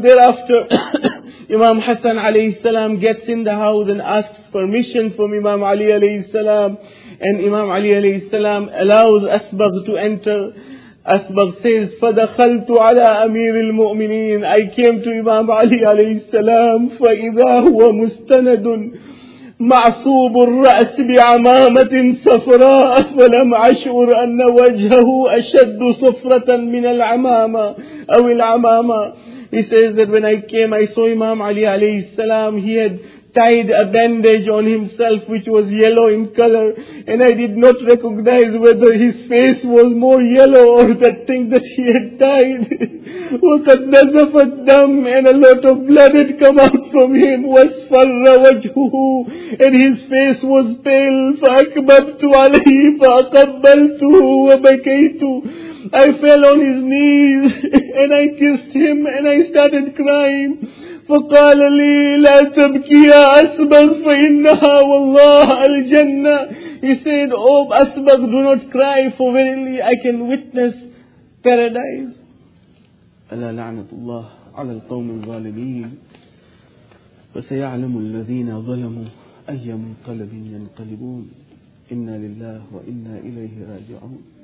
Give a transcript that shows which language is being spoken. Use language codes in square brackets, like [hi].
[en] Thereafter, Imam Hassan alayhi salam gets in the house and asks permission from Imam Ali alayhi salam. And Imam Ali alayhi salam allows Asbaz to enter. Asbaq says, [ar] فَدَخَلْتُ عَلَىٰ أَمِيرِ الْمُؤْمِنِينَ. [en] I came to Imam Ali alayhi salam, [ar] فَإِذَا هُوَ مُسْتَنَدٌ. معصوب الرأس بعمامة صفراء فلم أشعر أن وجهه أشد صفرة من العمامة أو العمامة. [en] He says that when I came, I saw Imam Ali alayhi salam. He had tied a bandage on himself which was yellow in color, and I did not recognize whether his face was more yellow or that thing that he had tied. [ar] وَقَدْ نَزَفَ الدَّمِ, [en] and a lot of blood had come out from him. [ar] وَاسْفَرَّ وَجْهُهُ, [en] and his face was pale. [ar] فَأَكْبَبْتُ عَلَيْهِ فَأَقَبَّلْتُهُ وَبَكَيْتُ. [en] I fell on his knees and I kissed him and I started crying. [ar] فقال لي لا تبكي يا أسبغ فإنها والله الجنة. [en] He said, oh Asbagh, do not cry, for verily I can witness paradise. [ar] ألا لعنة الله على القوم الظالمين فسيعلم الذين ظلموا أي منقلب ينقلبون إنا لله وإنا إليه راجعون.